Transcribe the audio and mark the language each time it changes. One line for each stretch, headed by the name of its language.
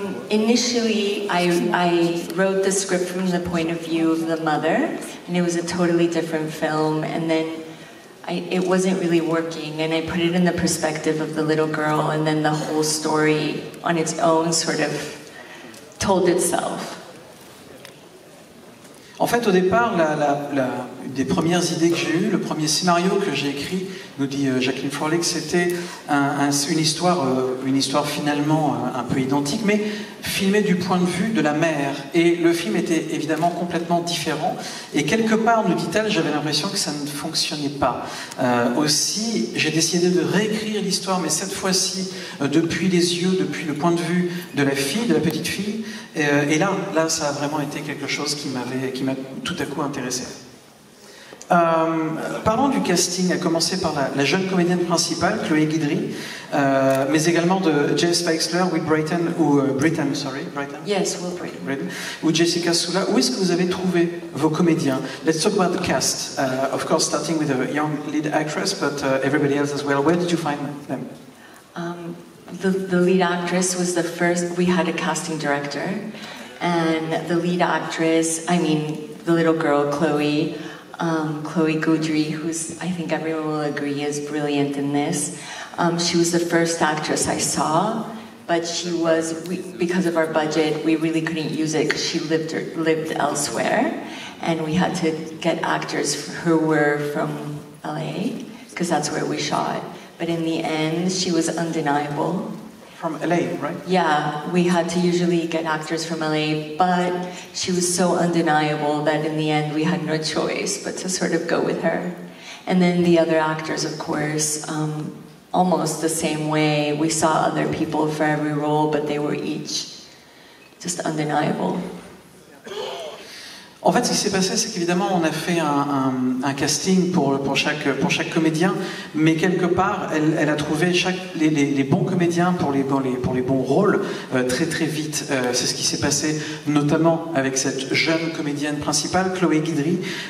English: Initially, I wrote the script from the point of view of the mother, and it was a totally different film. And then it wasn't really working, and I put it in the perspective of the little girl, and then the whole story on its own sort of told itself.
French: En fait, au départ, une des premières idées que j'ai eues, le premier scénario que j'ai écrit, nous dit Jacqueline Froelich, c'était une histoire finalement un peu identique, mais filmée du point de vue de la mère. Et le film était évidemment complètement différent. Et quelque part, nous dit-elle, j'avais l'impression que ça ne fonctionnait pas. Aussi, j'ai décidé de réécrire l'histoire, mais cette fois-ci, depuis les yeux, depuis le point de vue de la fille, de la petite fille. Et là, ça a vraiment été quelque chose qui m'a tout à coup intéressé. Parlons du casting, à commencer par la jeune comédienne principale, Chloé Guidry, mais également de Jess Feixler, Will Brighton, ou Jessica Sula. Où est-ce que vous avez trouvé vos comédiens?
English: Let's talk about the cast, of course, starting with a young lead actress, but everybody else as well. Where did you find them? The lead actress was the first. We had a casting director, and the lead actress, I mean, the little girl, Chloe. Chloé Guidry, who's, I think everyone will agree, is brilliant in this. She was the first actress I saw, but she was, because of our budget, we really couldn't use it because she lived elsewhere, and we had to get actors who were from LA, because that's where we shot. But in the end, she was undeniable. From LA, right? Yeah, we had to usually get actors from LA, but she was so undeniable that in the end we had no choice but to sort of go with her. And then the other actors, of course, almost the same way. We saw other people for every role, but they were each just undeniable.
French: En fait, ce qui s'est passé, c'est qu'évidemment, on a fait un casting pour chaque comédien, mais quelque part, elle a trouvé les bons comédiens pour les bons rôles très très vite. C'est ce qui s'est passé notamment avec cette jeune comédienne principale, Chloé Guidry.